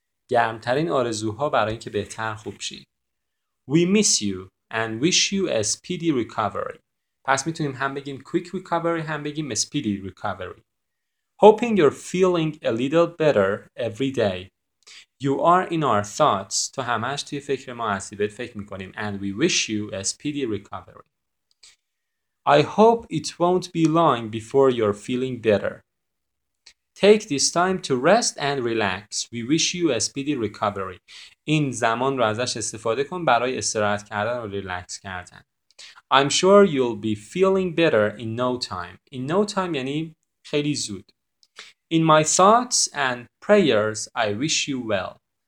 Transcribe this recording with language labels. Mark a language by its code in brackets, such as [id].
[fa] گرمترین آرزوها برای این که بهتر خوب شی. [en] We miss you and wish you a speedy recovery. [fa] پس میتونیم هم بگیم [en] quick recovery، [fa] هم بگیم [en] speedy recovery. Hoping you're feeling a little better every day. You are in our thoughts. [fa] تو همش توی فکر ما هستی، بهت فکر میکنیم. [en] And we wish you a speedy recovery. I hope it won't be long before you're feeling better. Take this time to rest and relax. We wish you a speedy recovery. [fa] این زمان رو ازش استفاده کن برای استراحت کردن و ریلکس کردن. [en] I'm sure you'll be feeling better in no time. In no time [fa] یعنی خیلی زود. [en] In my thoughts and prayers, I wish you well.